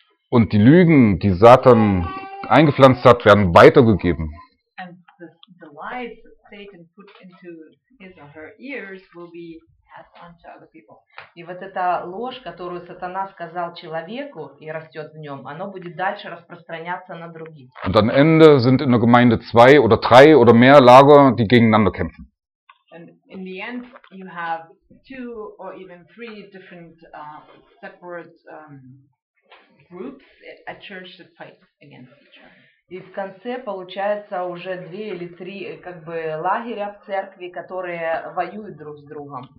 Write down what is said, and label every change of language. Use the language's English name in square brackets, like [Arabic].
[German] Und die Lügen, die Satan eingepflanzt hat, werden weitergegeben. [English] And the lies that Satan put into his or her ears will be passed on to other people. [Russian] И вот эта ложь, которую сатана сказал человеку и растет в нем, она будет дальше распространяться на других. [German] Und am Ende sind in der Gemeinde zwei oder drei oder mehr Lager, die gegeneinander kämpfen. [English] And in the end you have two or even three different separate groups at church that fight against each other. [Russian] И в конце получается уже две или три как бы лагеря в церкви, которые воюют друг с другом.